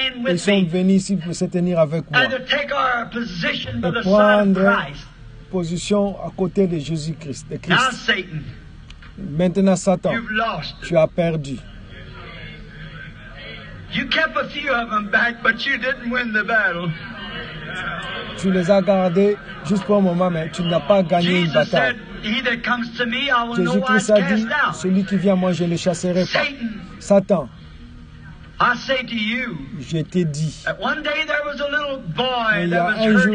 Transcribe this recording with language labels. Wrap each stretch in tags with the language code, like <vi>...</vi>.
<fr>Ils sont venus ici pour se tenir avec moi.</fr> <en>And to take our position by the side of Christ.</en> <fr>position à côté de Jésus-Christ, de Christ.</fr> <en>Now, Satan,</en> <fr>maintenant, Satan, tu as perdu.</fr> <en>You kept a few of them back, but you didn't win the battle.</en> <fr>Tu les as gardés juste pour un moment, mais tu n'as pas gagné une bataille. Jésus-Christ a dit, celui qui vient à moi, je ne le chasserai pas. Satan, je t'ai dit, il y a un jour,</fr>